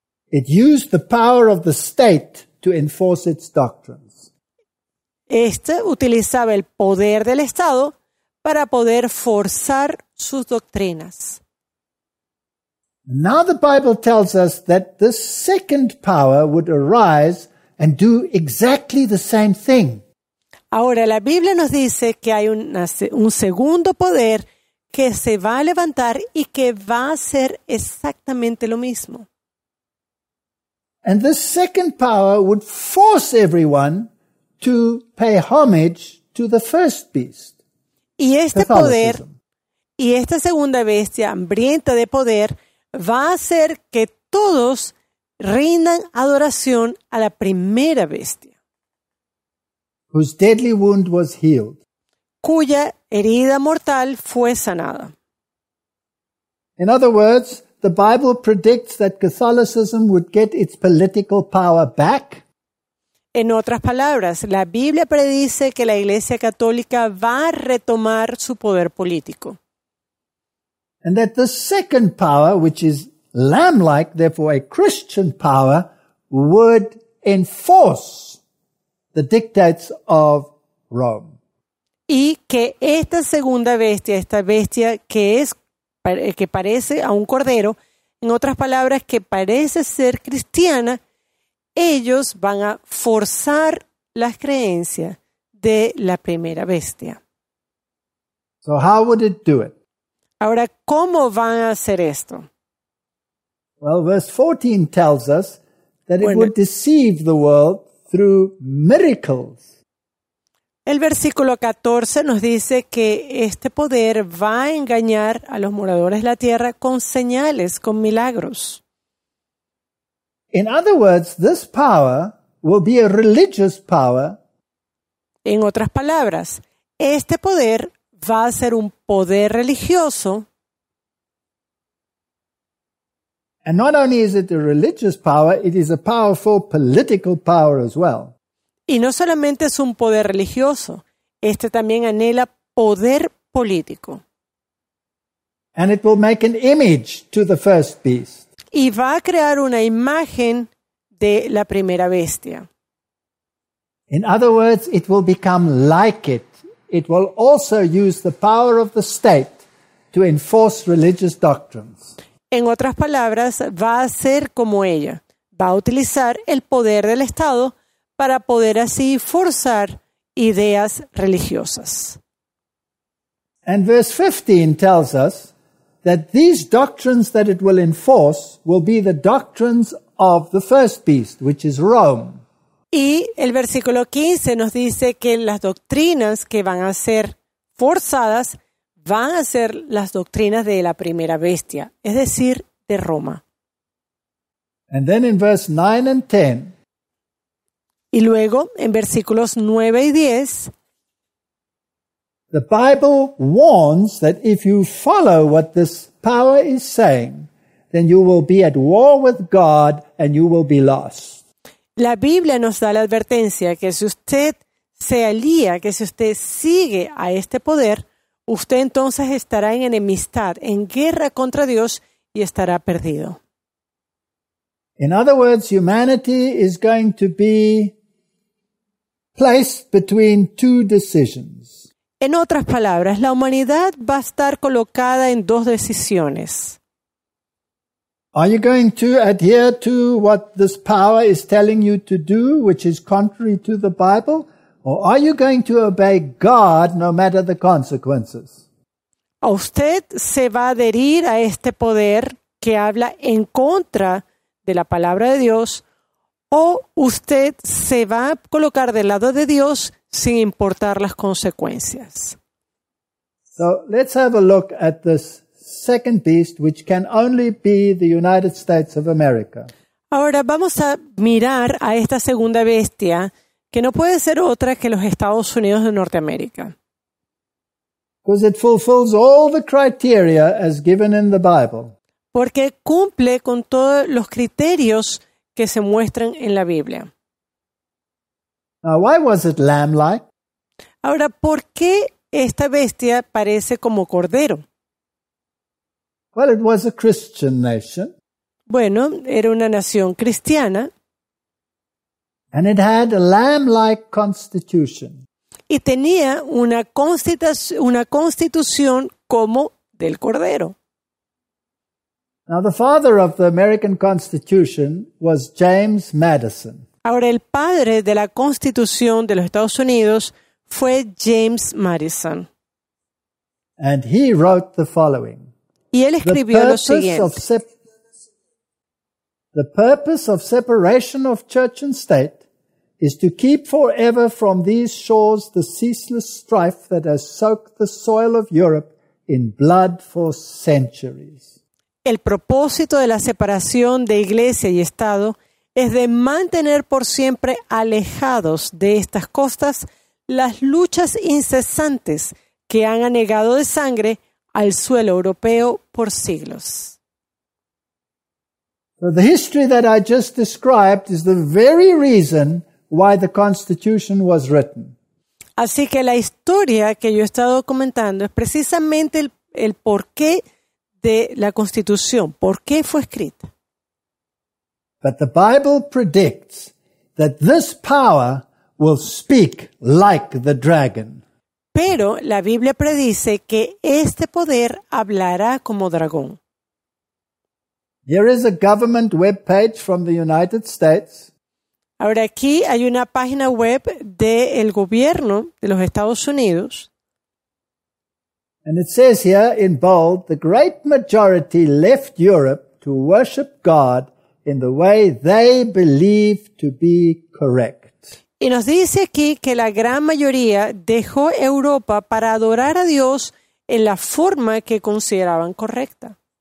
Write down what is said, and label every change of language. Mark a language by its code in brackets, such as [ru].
[en] It used the power of the state to enforce its doctrines. [es] Este utilizaba el poder del Estado para poder forzar sus doctrinas. [en] Now the Bible tells us that the second power would arise and do exactly the same thing. [es] Ahora la Biblia nos dice que hay un segundo poder que se va a levantar y que va a hacer exactamente lo mismo. [en] And this second power would force everyone to pay homage to the first beast. [es] Y este poder y esta segunda bestia hambrienta de poder va a hacer que todos rindan adoración a la primera bestia. [en] Whose deadly wound was healed. [es] Cuya herida mortal fue sanada. [en] In other words, the Bible predicts that Catholicism would get its political power back. [es] En otras palabras, la Biblia predice que la Iglesia Católica va a retomar su poder político. [en] And that the second power, which is lamb-like, therefore a Christian power, would enforce the dictates of Rome. [es] Y que esta segunda bestia, esta bestia que es que parece a un cordero, en otras palabras, que parece ser cristiana, ellos van a forzar las creencias de la primera bestia. [en] So how would it do it? [es] Ahora, ¿cómo van a hacer esto? [en] Well, verse 14 tells us that it would deceive the world through miracles. [es] El versículo 14 nos dice que este poder va a engañar a los moradores de la tierra con señales, con milagros. [en] In other words, this power will be a religious power. [es] En otras palabras, este poder va a ser un poder religioso. [en] And not only is it a religious power, it is a powerful political power as well. [es] Y no solamente es un poder religioso, este también anhela poder político. [en] And it will make an image to the first beast. [es] Y va a crear una imagen de la primera bestia. [en] In other words, it will become like it. It will also use the power of the state to enforce religious doctrines. [es] En otras palabras, va a ser como ella. Va a utilizar el poder del Estado para poder así forzar ideas religiosas. [en] And verse 15 tells us that these doctrines that it will enforce will be the doctrines of the first beast, which is Rome. [es] Y el versículo 15 nos dice que las doctrinas que van a ser forzadas van a ser las doctrinas de la primera bestia, es decir, de Roma. [en] And then in verse 9 and 10, [es] y luego, en versículos 9 y 10, [en] the Bible warns that if you follow what this power is saying, then you will be at war with God and you will be lost. [es] La Biblia nos da la advertencia que si usted se alía, que si usted sigue a este poder, usted entonces estará en enemistad, en guerra contra Dios y estará perdido. [en] In other words, humanity is going to be placed between two decisions. [es] En otras palabras, la humanidad va a estar colocada en dos decisiones. [en] Are you going to adhere to what this power is telling you to do, which is contrary to the Bible, or are you going to obey God no matter the consequences? [es] ¿A usted se va a adherir a este poder que habla en contra de la palabra de Dios, o usted se va a colocar del lado de Dios sin importar las consecuencias. [en] So let's have a look at this second beast, which can only be the United States of America. [es] Ahora vamos a mirar a esta segunda bestia, que no puede ser otra que los Estados Unidos de Norteamérica. [en] Because it fulfills all the criteria as given in the Bible. [es] Porque cumple con todos los criterios que se muestran en la Biblia. [en] Now, why was it lamb-like? [es] Ahora, ¿por qué esta bestia parece como cordero? [en] Well, it was a Christian nation. [es] Bueno, era una nación cristiana. [en] And it had a lamb-like constitution. [es] Y tenía una constitución como del cordero. [en] Now, the father of the American Constitution was James Madison. [es] Ahora, el padre de la Constitución de los Estados Unidos fue James Madison. [en] And he wrote the following. [es] Y él escribió lo siguiente. [en] The purpose of separation of church and state is to keep forever from these shores the ceaseless strife that has soaked the soil of Europe in blood for centuries. [es] El propósito de la separación de iglesia y Estado es de mantener por siempre alejados de estas costas las luchas incesantes que han anegado de sangre al suelo europeo por siglos. [en] So the history that I just described is the very reason why the Constitution was written. [es] Así que la historia que yo he estado comentando es precisamente el porqué de la Constitución, por qué fue escrita. [en] But the Bible predicts that this power will speak like the dragon. [es] Pero la Biblia predice que este poder hablará como dragón. [en] Here is a government webpage from the United States. [es] Ahora aquí hay una página web del gobierno de los Estados Unidos. [en] And it says here in bold, the great majority left Europe to worship God in the way they believe to be correct. [es] Y nos dice aquí que la gran mayoría dejó Europa para adorar a Dios en la forma que consideraban correcta.